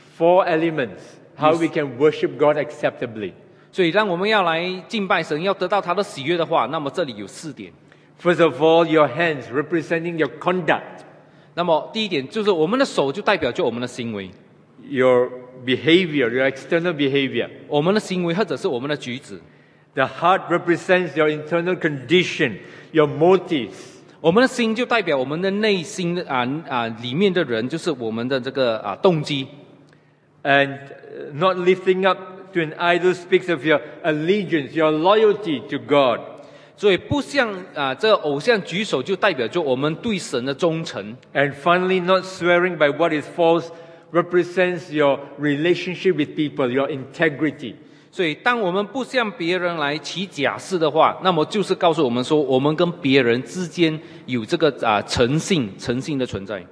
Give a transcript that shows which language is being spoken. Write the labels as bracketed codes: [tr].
[en] Four elements, how we can worship God acceptably. [zh] 所以当我们要来敬拜神，要得到他的喜悦的话，那么这里有四点。 [en] First of all, your hands representing your conduct. [zh] 那么第一点就是我们的手就代表着我们的行为。 [en] Your behavior, your external behavior. [zh] 我们的行为或者是我们的举止。 [en] The heart represents your internal condition, your motives. [zh] 我们的心就代表我们的内心里面的人，就是我们的这个动机。 [en] And not lifting up to an idol speaks of your allegiance, your loyalty to God. [zh] 所以不向这个偶像举手，就代表着我们对神的忠诚。 [en] And finally, not swearing by what is false represents your relationship with people, your integrity. [zh] 所以当我们不向别人来起假誓的话，那么就是告诉我们说我们跟别人之间有这个诚信的存在。